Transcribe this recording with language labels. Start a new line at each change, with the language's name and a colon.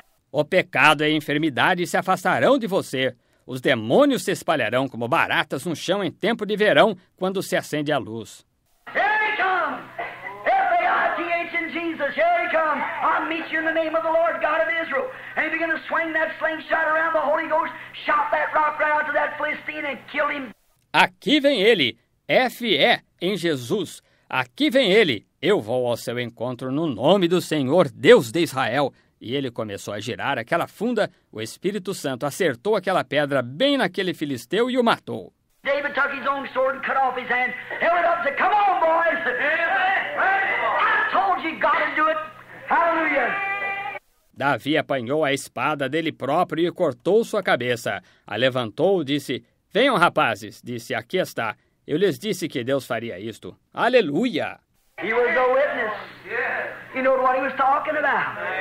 Portuguese: O pecado e a enfermidade se afastarão de você. Os demônios se espalharão como baratas no chão em tempo de verão, quando se acende a luz.
English: Here he comes! F-A-I-T-H in Jesus, here he comes! I'll meet you in the name of the Lord, God of Israel. And begin to swing that slingshot around the Holy Ghost, shot that rock right out to that Philistine and kill him.
Portuguese: Aqui vem ele, F-E, em Jesus. Aqui vem ele, eu vou ao seu encontro no nome do Senhor, Deus de Israel. E ele começou a girar aquela funda, o Espírito Santo acertou aquela pedra bem naquele filisteu e o matou.
English: David took his own sword and cut off his hand, held it up and said, come on, boys! I told you God would do it! Hallelujah!
Portuguese: Davi apanhou a espada dele próprio e cortou sua cabeça. A levantou e disse, venham, rapazes, disse, aqui está. Eu lhes disse que Deus faria isto. Aleluia!
English: He was a witness. He knew what he was talking about.